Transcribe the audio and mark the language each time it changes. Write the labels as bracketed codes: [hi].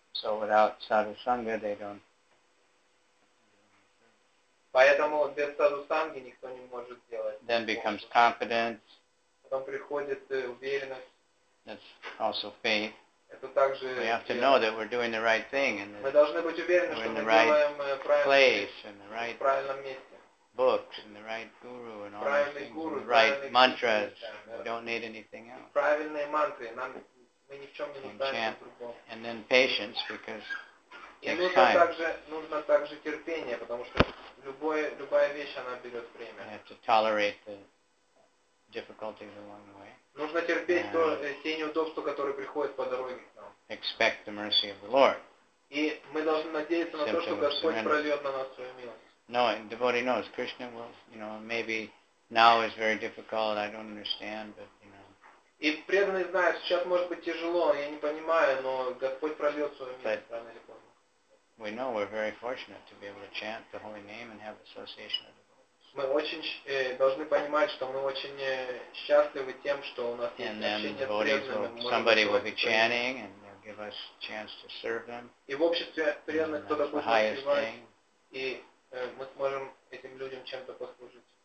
[en] So without sadhusanga they don't. [ru] Поэтому без sadhusanga никто не может делать. [en] Then becomes confidence. [ru] Потом приходит уверенность. [en] That's also faith. [ru] Это также. [en] We have to know that we're doing the right thing and. [ru] Мы должны быть уверены, что мы делаем правильно. [en] Books and the right guru and all the right mantras. We don't need anything else. [ru] Правильные мантры нам. Мы ни в чем не нуждаемся другом. [en] And then patience, because it takes time. [ru] Нужно также терпение, потому что любая вещь, она берет время. [en] You have to tolerate the difficulties along the way. [ru] Нужно терпеть те неудобства, которые приходят по дороге к нам. [en] Expect the mercy of the Lord. [ru] И мы должны надеяться на то, что Господь прольет на нас свою милость. [en] No, and devotee knows, Krishna will, you know, maybe now is very difficult, I don't understand, but you know. [ru] И преданный знает, сейчас может быть тяжело, я не понимаю, но Господь прольет свою милость рано или поздно. [en] We know we're very fortunate to be able to chant the holy name and have association of the devotees. [ru] Мы очень должны понимать, что мы очень счастливы тем, что у нас есть общение с преданными. [en] Somebody will be chanting and they'll give us a chance to serve them. [ru] И в обществе преданных кто-то будет служить, и мы сможем этим людям чем-то послужить.